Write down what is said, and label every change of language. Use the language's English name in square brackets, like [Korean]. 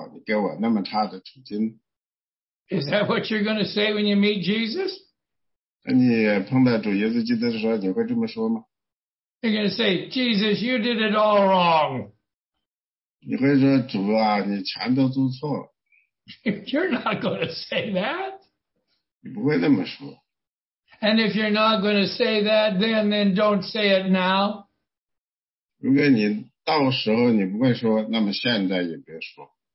[Chinese] 那个人呢，到了天堂，他就跟神说：“神啊，很高兴碰到你。但是呢，你为什么在我在世上时候给我一个不好的处境呢？这个不公平，你根本就不是一个公平的神。为什么别人的处境好，你给我那么差的处境？” [English] Is that what you're going to say when you meet Jesus? [Chinese] 你碰到主耶稣基督的时候，你会这么说吗？ [English] You're going to say, Jesus, you did it all wrong. [Chinese] 你会说，主啊，你全都做错了。 [English] You're not going to say that. [Chinese] 你不会那么说。 [English] And if you're not going to say that, then don't say it now. [Chinese] 如果你到时候你不会说，那么现在也别说。